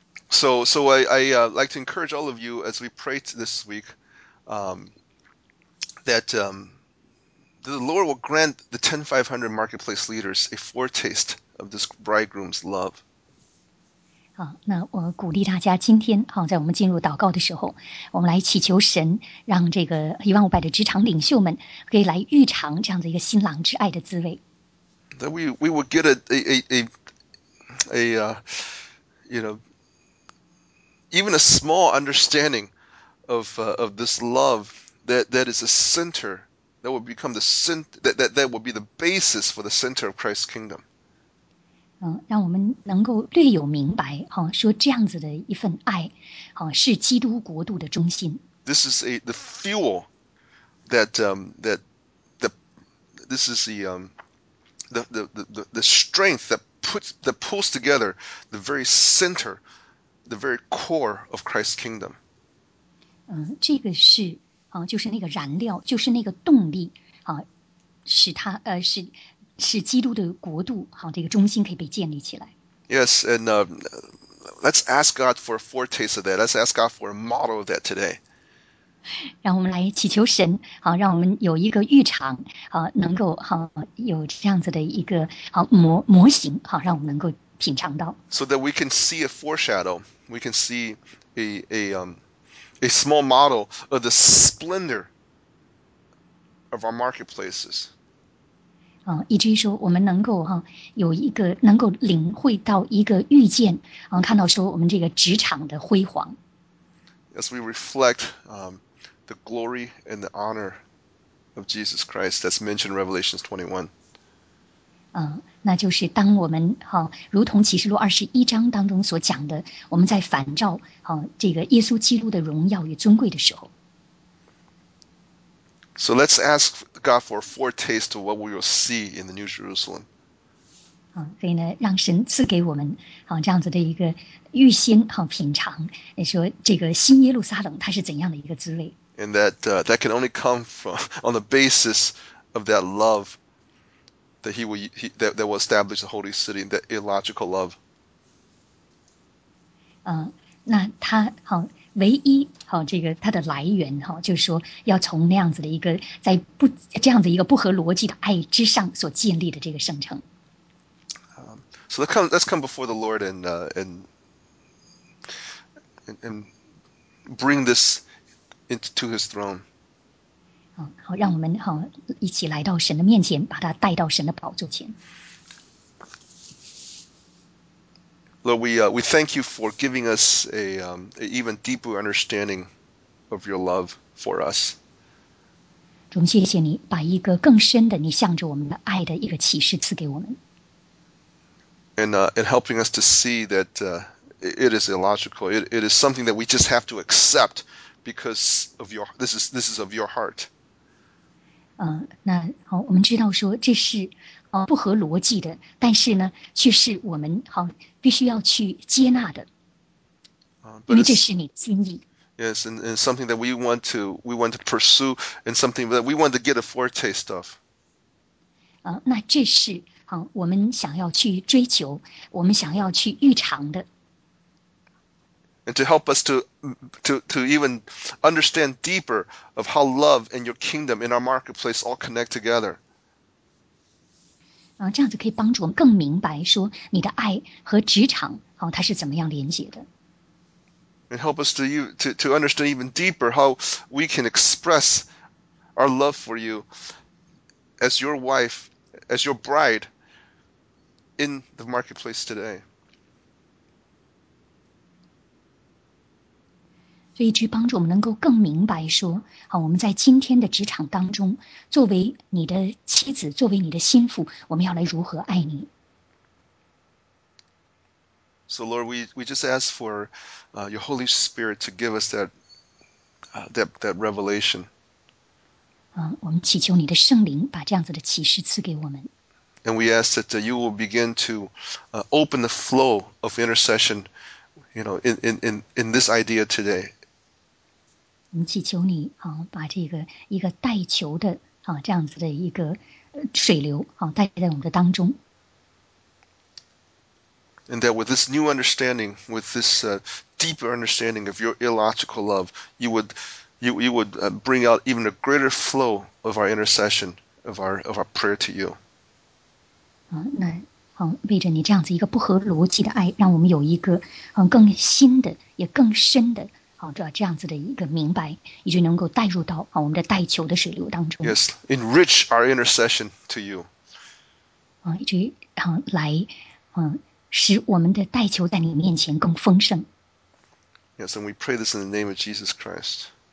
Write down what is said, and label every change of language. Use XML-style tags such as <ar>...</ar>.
<en>So I like to encourage all of you as we pray this week that the Lord will grant the 10,500 marketplace leaders a foretaste of this bridegroom's love.</en> <zh>那我鼓励大家今天在我们进入祷告的时候，我们来祈求神让这个15,000的职场领袖们可以来预尝这样的一个新郎之爱的滋味。</zh> <en>That we will get even a small understanding of this love that is a center that will become the that will be the basis for the center of Christ's kingdom.</en> <zh>让我们能够略有明白，说这样子的一份爱，是基督国度的中心。</zh> <en>This is the fuel strength that pulls together the very center, the very core of Christ's kingdom.</en> <zh>这个是就是那个燃料，就是那个动力使它是。使基督的国度这个中心可以被建立起来。</zh> <en>Yes, and let's ask God for a foretaste of that. Let's ask God for a model of that today.</en> <zh>让我们来祈求神，让我们有一个预尝，能够有这样子的一个模型，让我们能够品尝到。</zh> <en>So that we can see a foreshadow, we can see a small model of the splendor of our marketplaces.</en> <zh>以至于说我们能够有一个能够领会到一个预见看到说我们这个职场的辉煌。</zh> <en>As we reflect the glory and the honor of Jesus Christ that's mentioned in Revelation 21.</en> <zh>那就是当我们如同启示录21章当中所讲的我们在反照这个耶稣基督的荣耀与尊贵的时候。</zh> <en>So let's ask God for a foretaste of what we will see in the New Jerusalem.</en> <zh>所以呢，让神赐给我们这样子的一个预先品尝，说这个新耶路撒冷它是怎样的一个滋味。</zh> <en>And that that can only come from on the basis of that love that that will establish the holy city, that illogical love.</en> <zh>那他唯一这个它的来源就是说要从那样子的一个在不这样子一个不合逻辑的爱之上所建立的这个圣城。</zh> <en>So let's come before the Lord and bring this into His throne.</en> <zh>好，让我们一起来到神的面前，把它带到神的宝座前。</zh> <en>Lord, we thank you for giving us an even deeper understanding of your love for us.</en> <zh>主，谢谢你把一个更深的你向着我们的爱的一个启示赐给我们。</zh> <en>And helping us to see that it is illogical. It is something that we just have to accept because of your this is of your heart.</en> <zh>那好，我们知道说这是。不合逻辑的，但是呢，却是我们必须要去接纳的，因为这是你的心意。</zh> <en>Yes, and something that we want to pursue, and something that we want to get a foretaste of.</en> <zh>那这是我们想要去追求，我们想要去预尝的。</zh> <en>And to help us to even understand deeper of how love and your kingdom in our marketplace all connect together.</en> <zh>这样子可以帮助我们更明白说你的爱和职场它是怎么样连接的。</zh> <en>And help us to understand even deeper how we can express our love for you as your wife, as your bride in the marketplace today.</en> <zh>所以去帮助我们能够更明白说我们在今天的职场当中作为你的妻子作为你的心腹我们要来如何爱你。</zh> <en>So Lord, we just ask for your Holy Spirit to give us that revelation.</en> <zh>我们祈求你的圣灵把这样子的启示赐给我们。</zh> <en>And we ask that you will begin to open the flow of intercession, you know, in this idea today.</en> <zh>我们祈求你把这个一个带球的这样子的一个水流带在我们的当中。</zh> <en>And that with this new understanding, with this deeper understanding of your illogical love, you would bring out even a greater flow of our intercession, of our prayer to you.</en> <zh>那为着你这样子一个不合逻辑的爱，让我们有一个更新的也更深的。这样子的一个明白，也就能够带入到我们的代求的水流当中。</zh> <en>Yes, enrich our intercession to you.</en> <zh>以至于来使我们的代求在你面前更丰盛。</zh> <en>Yes, and we pray this in the name of Jesus Christ.</en>